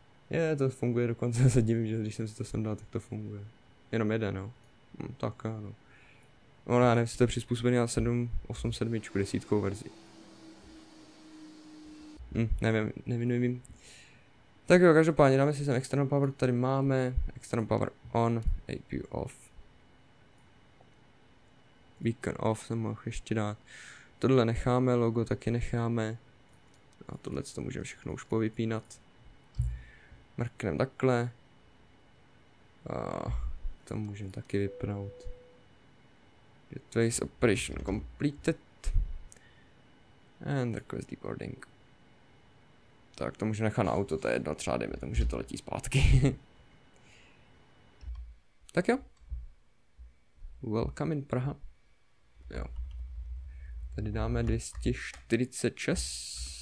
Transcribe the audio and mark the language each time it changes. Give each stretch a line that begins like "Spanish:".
Czech: Je, to funguje, dokonce se divím, že když jsem si to sem dal, tak to funguje. Jenom jeden, jo. Tak, ano. Ono, já nevím, jestli to je přizpůsobený na 7, 8, 7, 10 verzi. Nevím. Tak jo, každopádně dáme si sem external power, tady máme.
English: External power on, APU off.
Czech: Beacon off, jsem mohl ještě dát. Tohle necháme, logo taky necháme. A tohle to můžeme všechno už povypínat. Mrknem takhle. A to můžeme taky vypnout.
English: Jetway operation completed. And request deboarding.
Czech: Tak to můžeme nechat na auto, to je jedno, třeba dejme tomu, že to letí zpátky. Tak jo.
English: Welcome in Praha.
Czech: Jo. Tady dáme 246.